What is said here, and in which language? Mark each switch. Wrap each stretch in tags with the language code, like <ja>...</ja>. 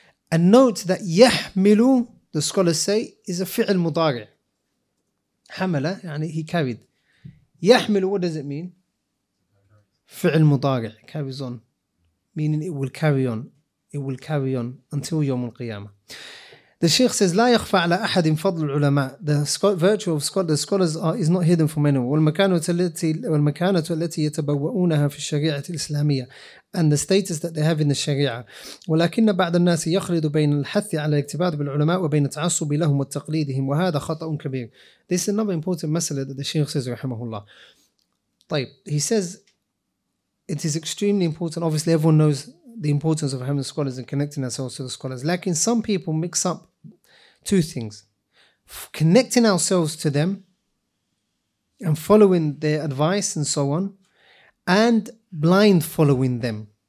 <en>And note that yahmilu, the scholars say, is a fi'l mudari. Hamala, yani he carried. Yahmilu, what does it mean? Fi'l mudari, carries on. Meaning it will carry on. It will carry on until yawm al-qiyamah. The Shaykh says,</en> <ar>لا يخفى على أحد فضل العلماء.</ar> <en>The virtue of the scholars is not hidden from anyone.</en> <ar>والمكانة التي يتبوؤونها في الشريعة الإسلامية,</ar> <en>and the status that they have in the Sharia.</en> <ar>ولكن بعض الناس يخلط بين الحث على الاقتباس بالعلماء وبين التعصب لهم وتقليدهم وهذا خطأ كبير.</ar> <en>This is another important مسألة that the Shaykh says, رحمه الله. طيب, he says, it is extremely important. Obviously, everyone knows the importance of having scholars and connecting ourselves to the scholars. Lakin some people mix up two things. Connecting ourselves to them and following their advice and so on, and blind following them.</en>